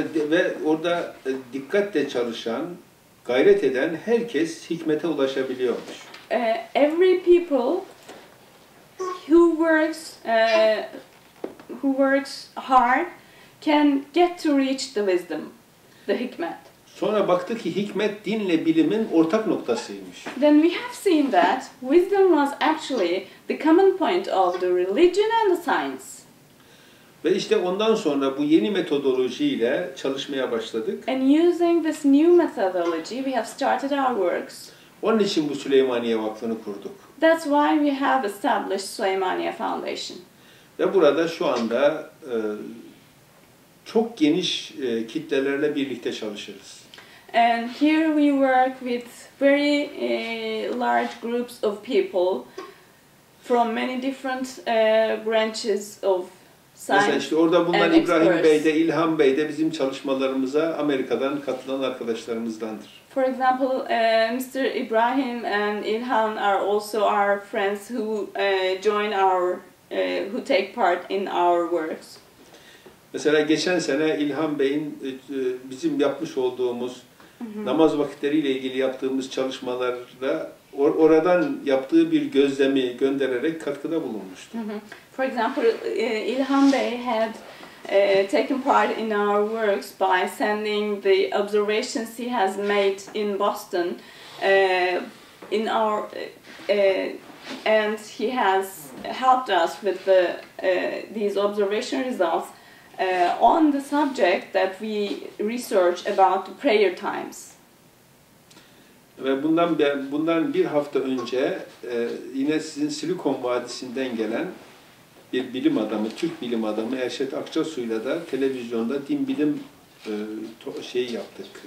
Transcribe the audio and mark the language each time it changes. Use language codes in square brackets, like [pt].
[tr] ve orada dikkatle çalışan, gayret eden herkes hikmete ulaşabiliyormuş. [en] Every people who works hard can get to reach the wisdom, the hikmet. [tr] Sonra baktık ki hikmet dinle bilimin ortak noktasıymış. [en] Then we have seen that wisdom was actually the common point of the religion and the science. [tr] Ve işte ondan sonra bu yeni metodolojiyle çalışmaya başladık. [en] And using this new methodology, we have started our works. [tr] Onun için bu Süleymaniye Vakfı'nı kurduk. [en] That's why we have established Süleymaniye Foundation. [tr] Ve burada şu anda çok geniş kitlelerle birlikte çalışırız. [en] And here we work with very large groups of people from many different branches of science. [tr] Mesela işte orada bulunan İbrahim Bey de, İlham Bey de bizim çalışmalarımıza Amerika'dan katılan arkadaşlarımızdandır. [en] For example, Mr. Ibrahim and Ilhan are also our friends who join our, who take part in our works. [tr] Mesela geçen sene İlhan Bey'in bizim yapmış olduğumuz namaz vakitleriyle ilgili yaptığımız çalışmalarda oradan yaptığı bir gözlemi göndererek katkıda bulunmuştu. [en] For example, Ilhan Bey had taken part in our works by sending the observations he has made in Boston in our and he has helped us with the these observation results on the subject that we research about prayer times. [tr] Ve bundan bir hafta önce yine sizin Silikon Vadisi'nden gelen bir bilim adamı, Türk bilim adamı Erşet Akçasu'yla da televizyonda din bilim şeyi yaptık.